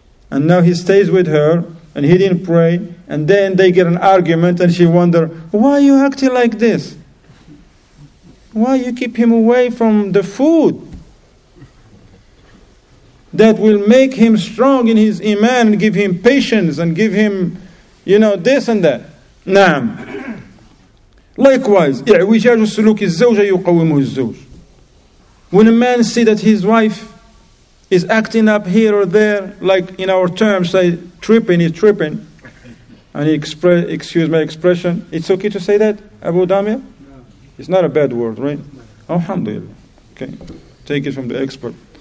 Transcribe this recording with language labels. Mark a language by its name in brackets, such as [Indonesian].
[English] And now he stays with her and he didn't pray, and then they get an argument and she wonder, "Why are you acting like this? Why you keep him away from the food that will make him strong in his iman and give him patience and give him, you know, this and that?" [Arabic] Naam. [English] Likewise, [Arabic] اعوجاج سلوك الزوجة يقومه الزوج. [English] When a man see that his wife is acting up here or there, like in our terms, say tripping, he's tripping, and he excuse my expression, it's okay to say that, Abu Damir? It's not a bad word, right? Alhamdulillah. Okay. Take it from the expert.